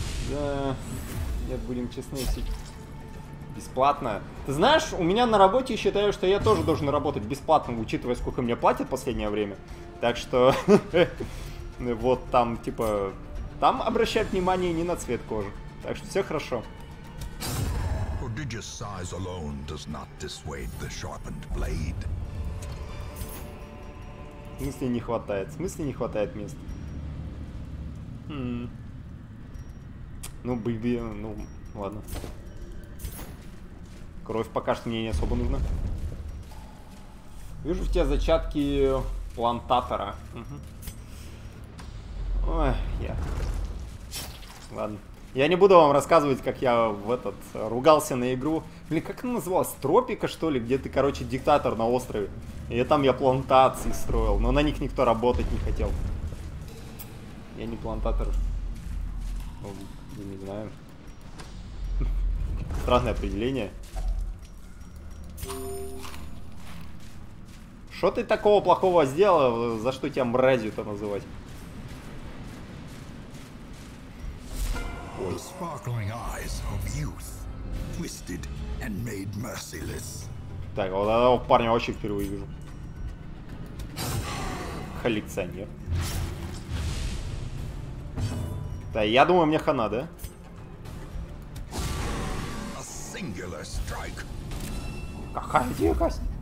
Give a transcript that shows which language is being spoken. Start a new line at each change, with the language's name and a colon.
Russian: Да, нет, будем честны, бесплатно. Ты знаешь, у меня на работе считают, что я тоже должен работать бесплатно, учитывая, сколько мне платят в последнее время. Так что, вот там, типа, там обращают внимание не на цвет кожи. Так что все хорошо.
English: Prodigious size alone does not dissuade the sharpened blade.
Russian: В смысле не хватает места. Ну, бейби, ну, ладно. Кровь пока что мне не особо нужна. Вижу в тебе зачатки плантатора. Угу. Ладно. Я не буду вам рассказывать, как я в этот ругался на игру. Блин, как она называлась? Тропика, что ли? Где ты, короче, диктатор на острове. И там я плантации строил, но на них никто работать не хотел. Я не плантатор. Я не знаю. Странное определение. Что ты такого плохого сделал, за что тебя мразью-то называть?
English: Sparkling eyes of youth, twisted and made merciless.
Russian: Так, вот этого парня вообще впервые вижу. Коллекционер. Да, я думаю, мне хана, да?
English: A singular strike.
Russian: Какая дикость!